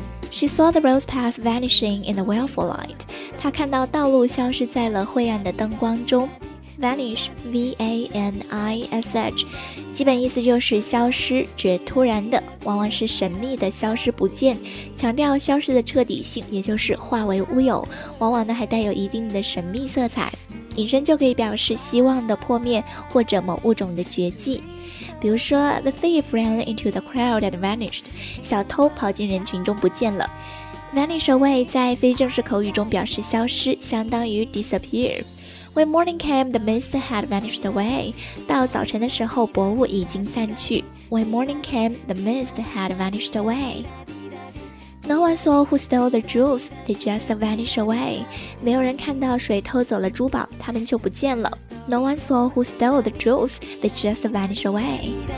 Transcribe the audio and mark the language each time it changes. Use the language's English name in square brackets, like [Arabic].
[English] She saw the rose path vanishing in the willful light. [Chinese] 她看到道路消失在了晦暗的灯光中。Vanish, V-A-N-I-S-H, 基本意思就是消失，指突然的，往往是神秘的消失不见，强调消失的彻底性，也就是化为乌有，往往呢还带有一定的神秘色彩，引申就可以表示希望的破灭或者某物种的绝迹。比如说 [English] The thief ran into the crowd and vanished. [Chinese] 小偷跑进人群中不见了。 [English] Vanish away [Chinese] 在非正式口语中表示消失，相当于 disappear. [English] When morning came, the mist had vanished away. [Chinese] 到早晨的时候，薄雾已经散去。 [English] When morning came, the mist had vanished away. No one saw who stole the jewels, they just vanish away. [Chinese] 没有人看到谁偷走了珠宝，他们就不见了。 [English] No one saw who stole the jewels, they just vanish away.